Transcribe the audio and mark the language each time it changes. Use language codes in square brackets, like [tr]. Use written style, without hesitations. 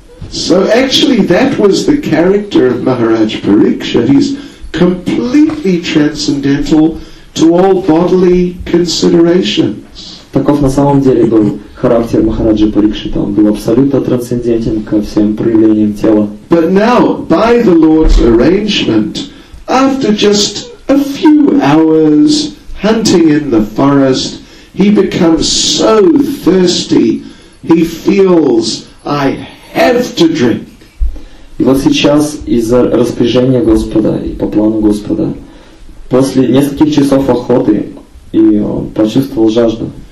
[en] So actually, that was the character of Maharaj Parikshit. He's completely transcendental to all bodily considerations. [ru] Таков на самом деле был характер Махараджи Парикшита. Он был абсолютно трансцендентен ко всем проявлениям тела. [en] But now, by the Lord's arrangement, after just a few hours hunting in the forest, he becomes so thirsty, he feels, I have to drink. [ru] И вот сейчас из-за распоряжения Господа и по плану Господа, после нескольких часов охоты, и он почувствовал жажду.